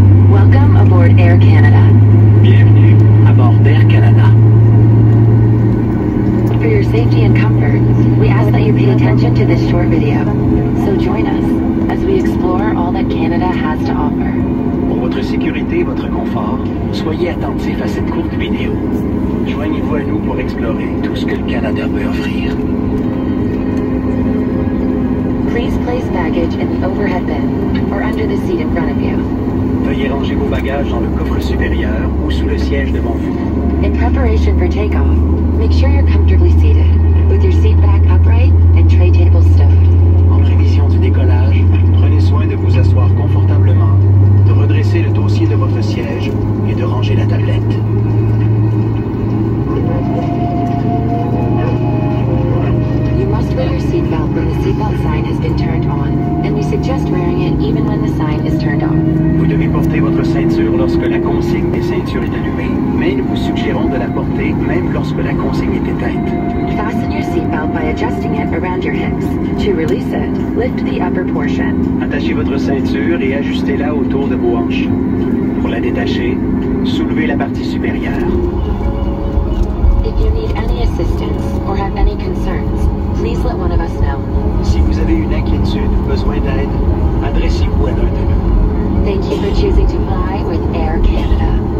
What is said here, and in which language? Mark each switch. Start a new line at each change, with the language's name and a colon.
English: Welcome aboard Air Canada. For your safety and comfort, we ask that you pay attention to this short video. So join us as we explore all that Canada has to offer.
French: Pour votre sécurité et votre confort, soyez attentifs à cette courte vidéo. Joignez-vous à nous pour explorer tout ce que le Canada peut offrir.
English: Please place baggage in the overhead bin or under the seat in front of you.
French: Veuillez ranger vos bagages dans le coffre supérieur ou sous le siège devant vous.
English: In preparation for takeoff, make sure you're comfortably seated, with your seat back upright and tray table stowed.
French: En prévision du décollage, prenez soin de vous asseoir confortablement, de redresser le dossier de votre siège et de ranger la tablette.
English: You must wear your seatbelt when the seatbelt sign has been turned on, and we suggest wearing it even when the sign is turned off.
French: Vous devez porter votre ceinture lorsque la consigne des ceintures est allumée, mais nous vous suggérons de la porter même lorsque la consigne est éteinte.
English: Fasten your seatbelt by adjusting it around your hips. To release it, lift the upper portion.
French: Attachez votre ceinture et ajustez-la autour de vos hanches. Pour la détacher, soulevez la partie supérieure.
English: If you need any assistance or have any concerns, please let one of us know.
French: Si vous avez une inquiétude ou besoin d'aide, adressez-vous à l'un de nous.
English: Thank you for choosing to fly with Air Canada.